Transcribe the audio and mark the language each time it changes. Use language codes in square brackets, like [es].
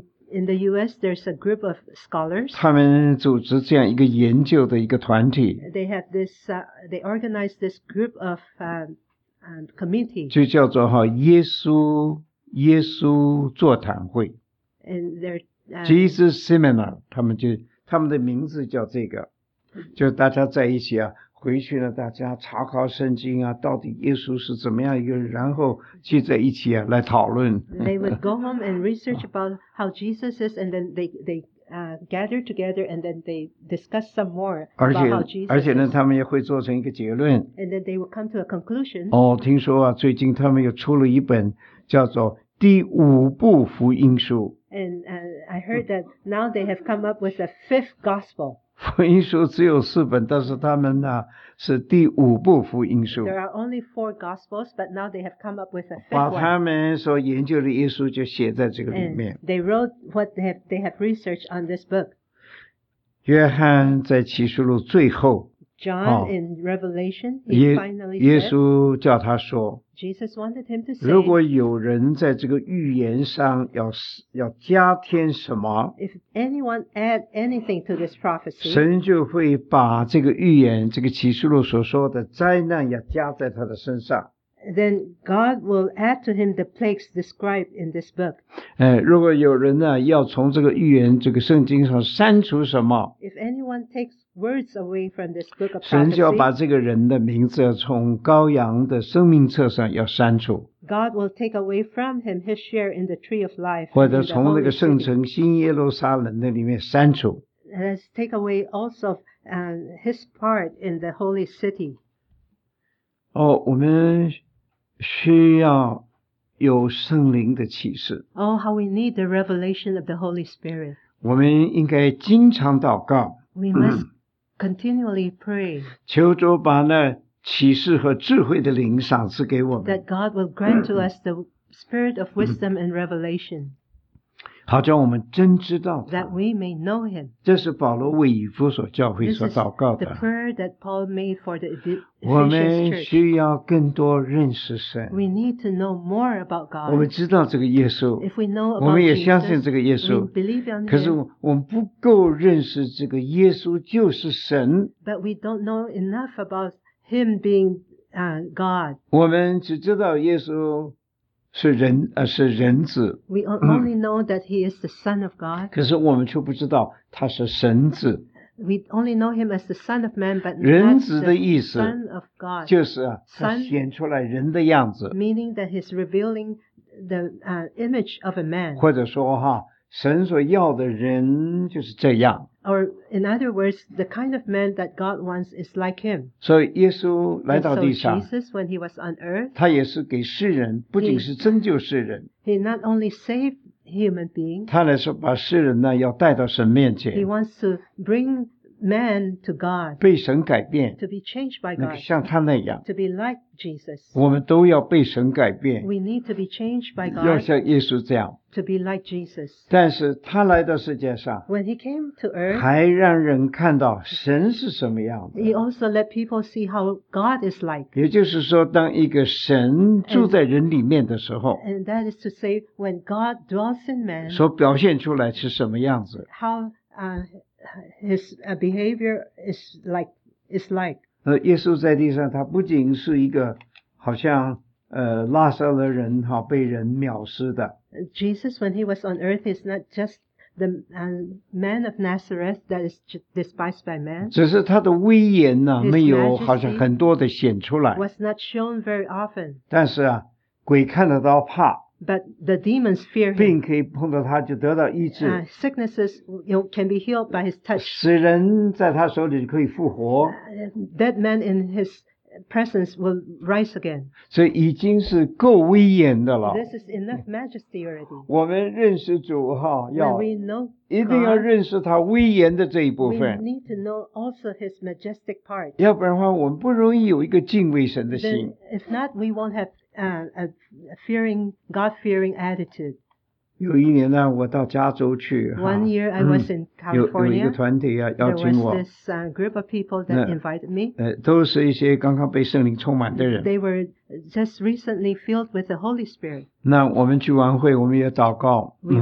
[en] in the US, there's a group of scholars. [zh] 他们组织这样一个研究的一个团体 [en] They have this, they organize this group of committee. [zh] 就叫做哈耶稣座谈会 [en] And their [zh] Jesus Seminar, 他们的名字叫这个就大家在一起啊回去了大家查考圣经啊到底耶稣是怎么样一个人然后聚在一起啊来讨论。 [en] They would go home and research about how Jesus is and then they gather together and then they discuss some more about how Jesus is. [zh] 而且呢他们也会做成一个结论。 [en] And then they would come to a conclusion. [zh] 哦听说啊最近他们又出了一本叫做第五部福音书。 [en] And I heard that now they have come up with a fifth gospel. [zh] 福音书只有四本但是他们呢是第五部福音书 [en] There are only four gospels but now they have come up with a fifth one [zh] 把他们所研究的耶稣就写在这个里面 [en] And they wrote what they have researched on this book [zh] 约翰在启示录最后 [en] John、哦、 in Revelation he finally said [zh] 耶稣叫他说 [en] Jesus wanted him to say [zh] 如果有人在这个预言上要加添什么 [en] If anyone add anything to this prophecy [zh] 神就会把这个预言这个启示录所说的灾难要加在他的身上 [en] Then God will add to him the plagues described in this book [zh] 如果有人呢要从这个预言这个圣经上删除什么 [en] If anyone takes words away from this book of prophecy [zh] 神就要把这个人的名字从羔羊的生命册上要删除 [en] God will take away from him his share in the tree of life [zh] 或者从那个圣城新耶路撒冷那里面删除 [en] Let's take away also his part in the holy city [zh] 哦，我们需要有圣灵的启示 [en] Oh, how we need the revelation of the Holy Spirit [zh] 我们应该经常祷告 [en] We must continually pray [zh] 求主把那启示和智慧的灵赏赐给我们 [en] that God will grant to us the spirit of wisdom and revelation [zh] 好叫我们真知道 [en] that we may know him [zh] 这是保罗为以弗所教会所祷告的 [en] this is the prayer that Paul made for the Ephesians church [zh] 我们需要更多认识神 [en] we need to know more about God [zh] 我们知道这个耶稣 [en] if we know about [zh] 我们也相信这个耶稣 [en] we believe on him [zh] 可是我们不够认识这个耶稣就是神 [en] but we don't know enough about him being God [zh] 我们只知道耶稣是人子 [en] We only know that he is the son of God [zh] 可是我们却不知道他是神子 [en] We only know him as the son of man but [zh] 人子的意思 [en] son of God [zh] 就是、啊、他显出来人的样子 [en] son, meaning that he's revealing the image of a man [zh] 或者说、啊、神所要的人就是这样 [en] Or in other words, the kind of man that God wants is like him. [zh] So, 耶稣来到地上, [en] so Jesus, when he was on earth, [zh] 他也是给世人, 不仅是拯救世人, [en] he not only saved human beings, [zh] 他来说把世人呢, 要带到神面前, [en] he wants to bring man to God, [zh] 被神改变, [en] to be changed by God, [zh] 那个像他那样, [en] to be like Jesus. [zh] 我们都要被神改变, [en] we need to be changed by God, [zh] 要像耶稣这样, [en] to be like Jesus. [zh] 但是他来到世界上, [en] when he came to earth, [zh] 还让人看到神是什么样的, [en] he also let people see how God is like. [zh] 也就是说当一个神住在人里面的时候, [en] and that is to say when God dwells in man, [zh] 所表现出来是什么样子, [en] how His behavior is like. [zh] 耶稣在地上，他不仅是一个好像拉撒勒人哈被人藐视的。 [en] Jesus, when he was on earth, is not just the man of Nazareth that is despised by man. [zh] 只是他的威严呢，没有好像很多的显出来。 [en] Was not shown very often. [zh] 但是啊，鬼看得到怕。 [en] But the demons fear him. [zh] 病可以碰到他就得到医治。 [en] Sicknesses can be healed by his touch. [zh] 死人在他手里就可以复活。 [en] Dead man in his presence will rise again. [zh] 所以已经是够威严的了。 [en] This is enough majesty already. [zh] 我们认识主哈，要 [en] When we know God, [zh] 一定要认识他威严的这一部分。 [en] We need to know also his majestic part. [zh] 要不然的话，我们不容易有一个敬畏神的心。 [en] Then, if not, we won't have. A fearing, God-fearing attitude. [zh] 有一年呢，我到加州去。 [en] One year I was in California. [zh] 有一个团体啊，邀请我。 [en] There was this group of people that invited me. [zh] 都是一些刚刚被圣灵充满的人。 [en] They were just recently filled with the Holy Spirit. [zh] 那我们去完会，我们也祷告。